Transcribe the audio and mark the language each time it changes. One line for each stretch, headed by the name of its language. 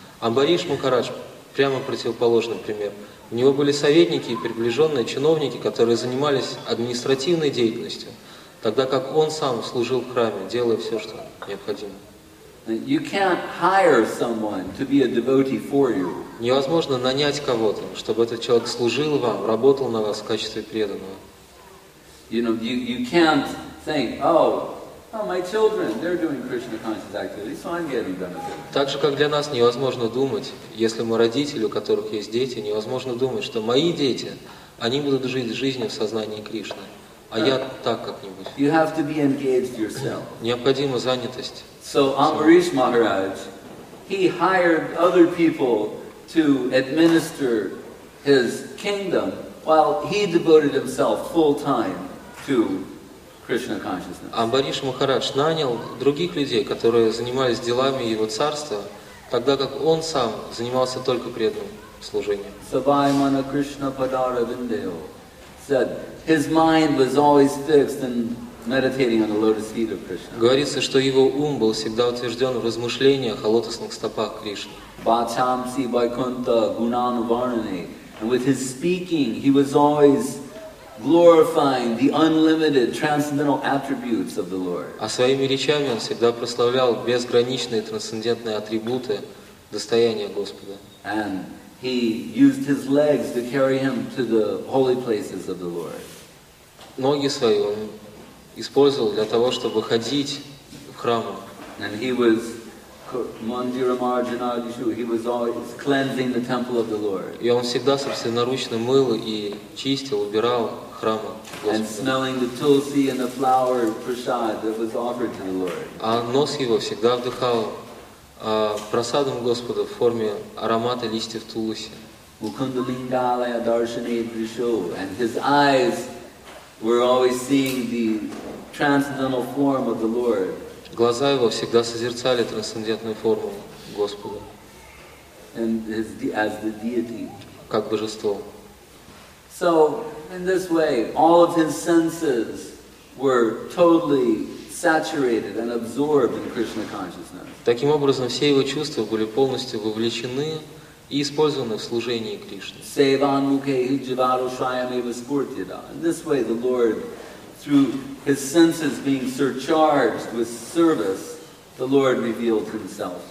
Russian: Амбариш Махарадж прямо противоположный пример. У него были советники и приближенные чиновники, которые занимались административной деятельностью, тогда как он сам служил в храме, делая все, что необходимо.
English: You can't hire someone to be a devotee for you.
Russian: Невозможно нанять кого-то, чтобы этот человек служил вам, работал на вас в качестве преданного.
English: You can't think, my children, they're doing Krishna conscious activities, so I'm getting benefit.
Russian: Так же, как для нас невозможно думать, если мы родители, у которых есть дети, невозможно думать, что мои дети, они будут жить жизнью в сознании Кришны, а я так как-нибудь.
English: You have to be engaged yourself.
Russian: Необходима занятость.
English: So Ambarish Maharaj, he hired other people to administer his kingdom, while he devoted himself full time to
Russian: Амбариш Махарадж нанял других людей, которые занимались делами его царства, тогда как он сам занимался только преданным служением.
Sanskrit: Savaimana Krishna Padara Vindeo
English: said his mind was always fixed in meditating on the lotus feet of Krishna.
Russian: Говорится, что его ум был всегда утвержден в размышлениях о лотосных стопах Кришны.
Sanskrit: Bhatamsi Vaikuntha Gunanuvarnane,
English: and with his speaking he was always glorifying the unlimited transcendental attributes of the Lord.
Russian: А своими речами он всегда прославлял безграничные трансцендентные атрибуты достояния Господа.
English: And he used his legs to carry him to the holy places of the Lord.
Russian: Ноги свои он использовал для того, чтобы ходить в храм.
English: And he was
Sanskrit: Mandira Marjanadishu,
English: he was always cleansing the temple of the Lord.
Russian: И он всегда собственноручно мыл и чистил, убирал храм.
English: And smelling the tulsi and the flower prasad that was offered to the Lord.
Russian: А нос его всегда вдыхал прасадом Господа в форме аромата листьев тулуси.
Sanskrit: Mukundalingalaya Darshanadishu,
English: and his eyes were always seeing the transcendental form of the Lord.
Russian: Глаза его всегда созерцали трансцендентную форму Господа,
English: and as the deity.
Russian: Как божество.
English: So in this way, all of his senses were totally saturated and absorbed in Krishna consciousness.
Russian: Таким образом, все его чувства были полностью вовлечены и использованы в служении Кришне.
Sanskrit: Sevan mukhe hi jivaro shayame vispurtyada.
English: In this way, the Lord, through his senses being surcharged with service, the Lord revealed himself.